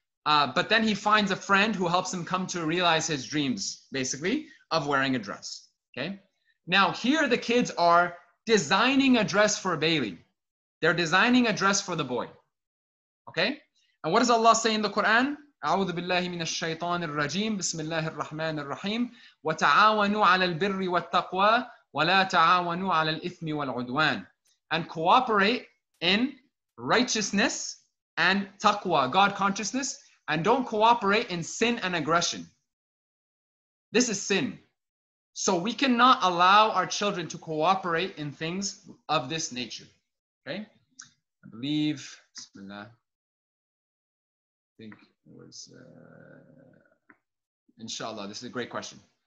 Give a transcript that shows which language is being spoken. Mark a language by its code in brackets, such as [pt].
[en] But then he finds a friend who helps him come to realize his dreams, basically, of wearing a dress, okay? Now, here the kids are designing a dress for Bailey. They're designing a dress for the boy, okay? And what does Allah say in the Quran? [ar] أَعُوذُ بِاللَّهِ مِنَ الشَّيْطَانِ الرَّجِيمِ بِسْمِ اللَّهِ الرَّحْمَنِ الرَّحِيمِ وَتَعَاوَنُوا عَلَى الْبِرِّ وَالتَّقْوَى وَلَا تَعَاوَنُوا عَلَى الْإِثْمِ وَالْعُدْوَانِ [en] And cooperate in righteousness and taqwa, God consciousness, and don't cooperate in sin and aggression. This is sin. So we cannot allow our children to cooperate in things of this nature. Okay? I believe, bismillah, I think it was, inshallah, this is a great question.